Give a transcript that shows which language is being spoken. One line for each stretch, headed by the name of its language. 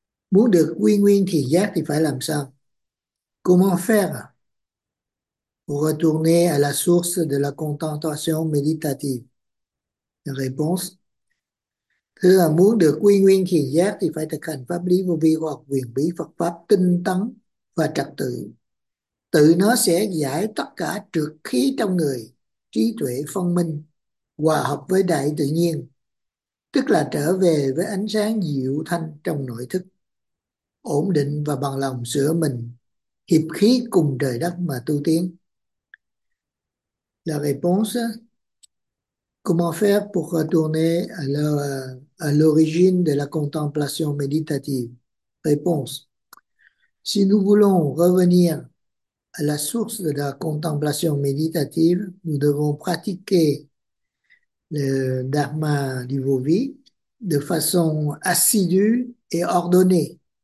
Vietnamese: Muốn được quy nguyên thiền giác thì phải làm sao?
French: Comment faire pour retourner à la source de la contemplation méditative? Réponse.
Vietnamese: Thứ là muốn được quy nguyên thiền giác thì phải thực hành pháp lý vô vi hoặc quyền bí Phật pháp tinh tấn và trật tự. Tự nó sẽ giải tất cả trược khí trong người, trí tuệ phân minh, hòa hợp với đại tự nhiên. tức là trở về với ánh sáng diệu thanh trong nội thức, ổn định và bằng lòng sửa mình, hiệp khí cùng trời đất mà tu tiến.
French: La réponse, comment faire pour retourner à l'origine de la contemplation méditative? Réponse. Si nous voulons revenir à la source de la contemplation méditative, nous devons pratiquer le Dharma du Vovi de façon assidue et ordonnée.